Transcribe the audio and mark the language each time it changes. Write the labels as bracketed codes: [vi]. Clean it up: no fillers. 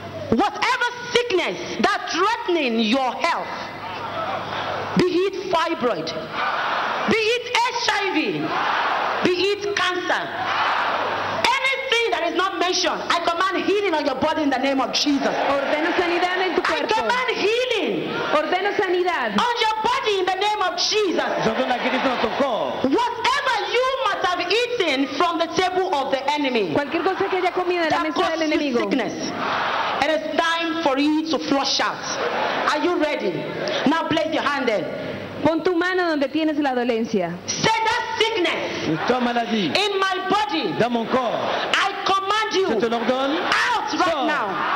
[en] Whatever sickness that threatening your health, be it fibroid, be it HIV, be it cancer, anything that is not mentioned, I command healing on your body in the name of Jesus. [es] Ordeno sanidad en tu cuerpo. [en] I command healing. [es] Ordeno sanidad. [en] On your body in the name of Jesus. Whatever you must have eaten from the table of the enemy, [es] cualquier cosa que haya comido de la mesa del enemigo, [en] sickness, it is time for you to flush out. Are you ready? Now place your hand there. [es] Pon tu mano donde tienes la dolencia. [en] Say that sickness [fr] maladie, [en] in my body, [fr] dans mon corps, [en] I command you out right now.